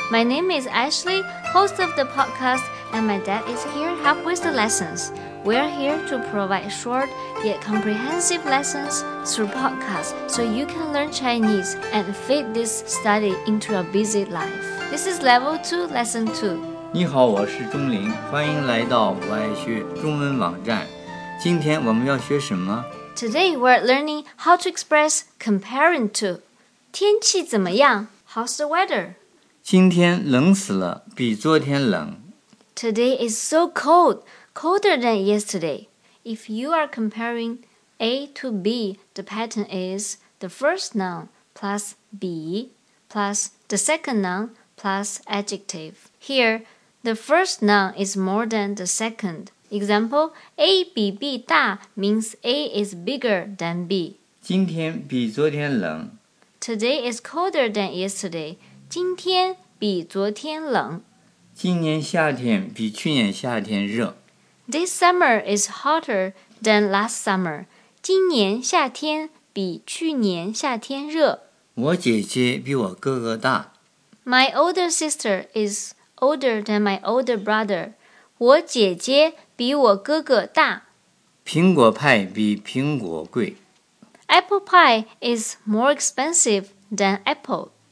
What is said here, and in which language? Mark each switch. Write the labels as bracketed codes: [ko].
[en] My name is Ashley, host of the podcast, and my dad is here to help with the lessons. We are here to provide short yet comprehensive lessons through podcasts so you can learn Chinese and fit this study into your busy life. This is Level 2, Lesson 2. [zh] 你好，我是钟林，欢迎来到我爱学中文网站。今天我们要学什么？ [en] Today, we are learning how to express comparing to. [zh] 天气怎么样? [en] How's the weather? [zh] 今天冷死了,比昨天冷。 [en] Today is so cold, colder than yesterday. If you are comparing A to B, the pattern is the first noun plus B plus the second noun plus adjective. Here, the first noun is more than the second. Example, A 比 B 大 means A is bigger than B. [zh] 今天比昨天冷。 [en] Today is colder than yesterday. [zh] 今天比昨天冷。今年夏天比去年夏天热。 [en] This summer is hotter than last summer. [zh] 今年夏天比去年夏天热。我姐姐比我哥哥大。 [en] My older sister is older than my older brother. [zh] 我姐姐比我哥哥大。苹果派比苹果贵。 [en] Apple pie is more expensive than apple.